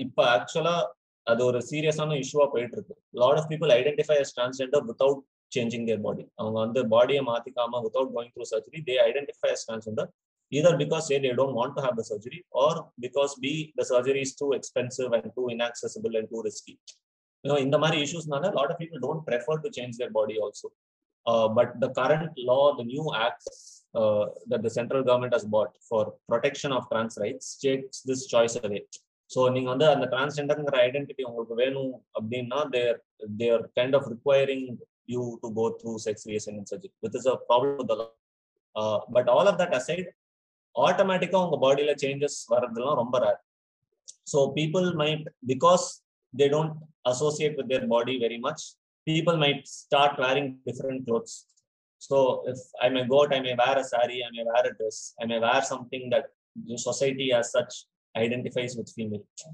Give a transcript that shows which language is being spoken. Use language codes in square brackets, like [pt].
[ta] இப்போ ஆக்சுவலா அது ஒரு சீரியஸான இஷ்யூவா போயிட்டு இருக்கு. [en] Lot of people identify as transgender without changing their body. [ta] அவங்க வந்து பாடியை மாத்திக்காம [en] Without going through surgery they identify as transgender either because A, they don't want to have the surgery, or because B, the surgery is too expensive and too inaccessible and too risky. You know, in the many issues, a lot of people don't prefer to change their body also. But the current law, the new acts that the central government has bought for protection of trans rights takes this choice away. So, if you have a transgender identity, they are kind of requiring you to go through sex reassignment surgery, which is a problem with the law. But all of that aside, [ta] ஆட்டோமேட்டிக்காக உங்கள் பாடியில் changes வர்றதுலாம் ரொம்ப rare. [en] So people might because they don't associate with their body very much people might start wearing different clothes. So if I may coat I may wear a sari I may wear a dress I may wear something that society as such identifies with female.